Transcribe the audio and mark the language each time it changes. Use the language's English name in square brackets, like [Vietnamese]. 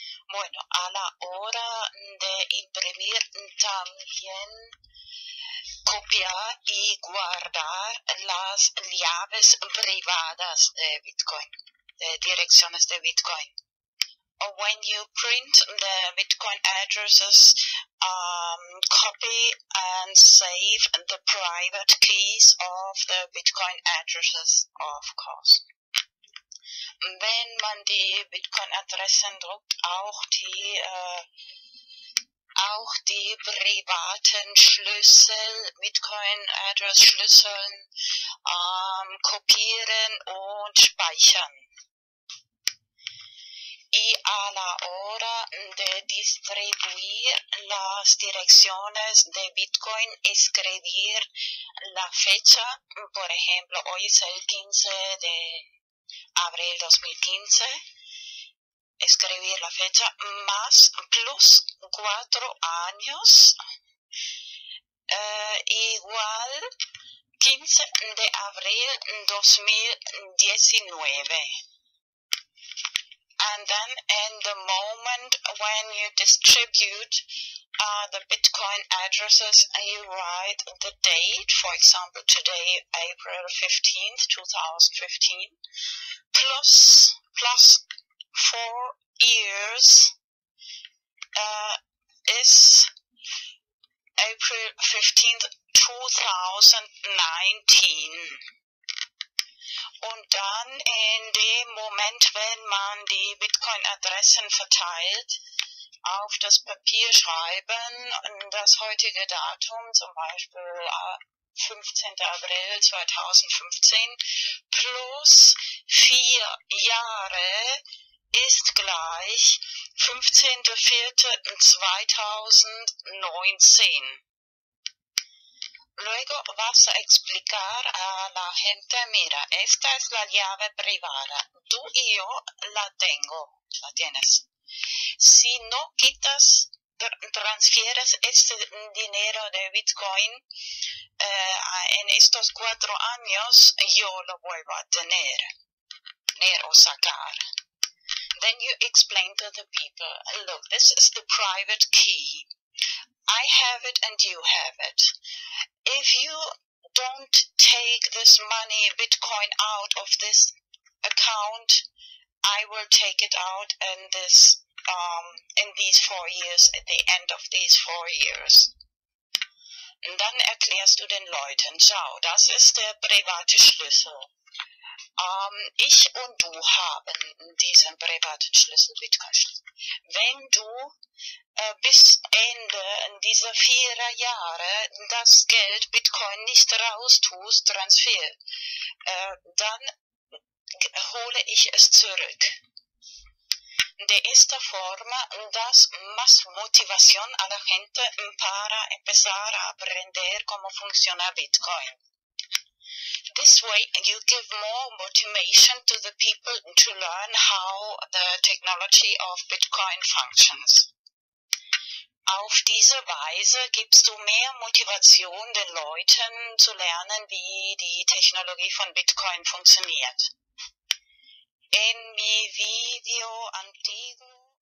[Spanish] Bueno, a la hora de imprimir también copiar y guardar las llaves privadas de Bitcoin, de direcciones de Bitcoin. [English] Or when you print the Bitcoin addresses, copy and save the private keys of the Bitcoin addresses, of course. [German] Wenn man die Bitcoin-Adressen druckt, auch die privaten Schlüssel, Bitcoin-Address-Schlüsseln, kopieren und speichern. [Spanish] Y a la hora de distribuir las direcciones de Bitcoin, escribir la fecha, por ejemplo, hoy es el 15 de abril 2015, escribir la fecha más plus 4 años, igual 15 de abril 2019. [English] And then in the moment when you distribute the Bitcoin addresses, you write the date, for example, today, April 15th, 2015, plus 4 years is April 15th, 2019. [German] Und dann in dem Moment, wenn man die Bitcoin-Adressen verteilt, auf das Papier schreiben, das heutige Datum, zum Beispiel 15. April 2015, plus 4 Jahre ist gleich 15.04.2019. [Spanish] Luego vas a explicar a la gente, mira, esta es la llave privada. Tú y yo la tengo, la tienes. Si no quitas, transfieres este dinero de Bitcoin en estos 4 años, yo lo vuelvo a tener o sacar. [English] Then you explain to the people, look, this is the private key. I have it and you have it. If you don't take this money, Bitcoin, out of this account, I will take it out in this, in these 4 years, at the end of these 4 years. [German] Und dann erklärst du den Leuten, schau, das ist der private Schlüssel. Ich und du haben diesen privaten Schlüssel, Bitcoin-Schlüssel. Wenn du bis Ende dieser 4 Jahre das Geld Bitcoin nicht raustust, Transfer, dann hole ich es zurück. [Spanish] De esta forma das más motivación a la gente para empezar a aprender cómo funciona Bitcoin. [English] This way you give more motivation to the people to learn how the technology of Bitcoin functions. [German] Auf diese Weise gibst du mehr Motivation den Leuten zu lernen, wie die Technologie von Bitcoin funktioniert. [Spanish] In mi video antiguo.